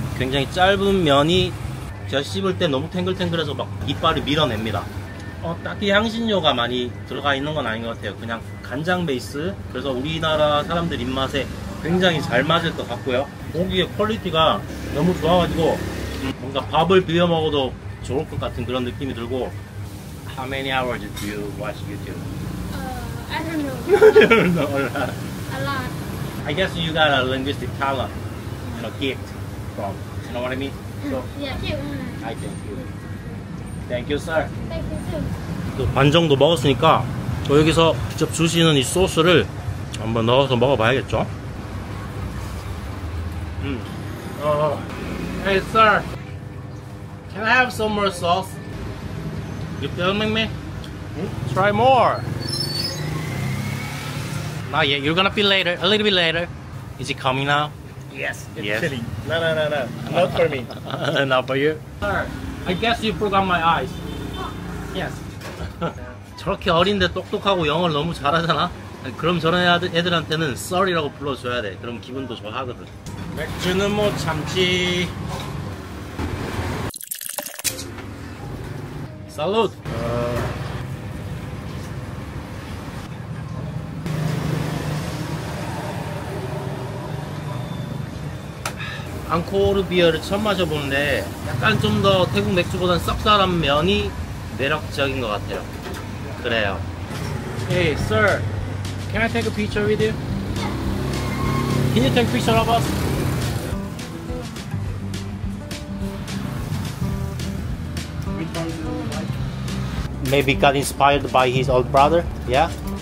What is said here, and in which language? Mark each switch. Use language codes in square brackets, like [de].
[ko] 굉장히 짧은 면이 제가 씹을 때 너무 탱글탱글해서 막 이빨을 밀어냅니다. 딱히 향신료가 많이 들어가 있는 건 아닌 것 같아요. 그냥 간장 베이스. 그래서 우리나라 사람들 입맛에 굉장히 잘 맞을 것 같고요. 고기의 퀄리티가 너무 좋아가지고 뭔가 밥을 비벼 먹어도 좋을 것 같은 그런 느낌이 들고. [en] How many hours do you watch YouTube? I don't know. A lot. I guess you got a linguistic talent, you know, gift from. You know what I mean? So, yeah, cute. I think you. Thank you, sir. Thank you too. [ko] 반 정도 먹었으니까 저 여기서 직접 주시는 이 소스를 한번 넣어서 먹어봐야겠죠? [en] Hey, sir. Can I have some more sauce? You filming me? Try more. Not yet. You're gonna be later. A little bit later. Is it coming now? Yes. Chilling. No. Not for me. Not for you. Sir. I guess you forgot my eyes. Yes. [ko] 저렇게 어린데 똑똑하고 영어를 너무 잘하잖아? 그럼 저런 애들한테는 sorry라고 불러줘야 돼. 그럼 기분도 좋아하거든. 맥주는 못 참지. [en] Salute. [ko] Angkor 비어를 처음 마셔보는데 약간 좀 더 태국 맥주보다는 쌉싸름 면이 매력적인 것 같아요. 그래요. [en] Hey, sir. Can I take a picture with you? Yeah. Can you take a picture of us? Maybe got inspired by his old brother, yeah?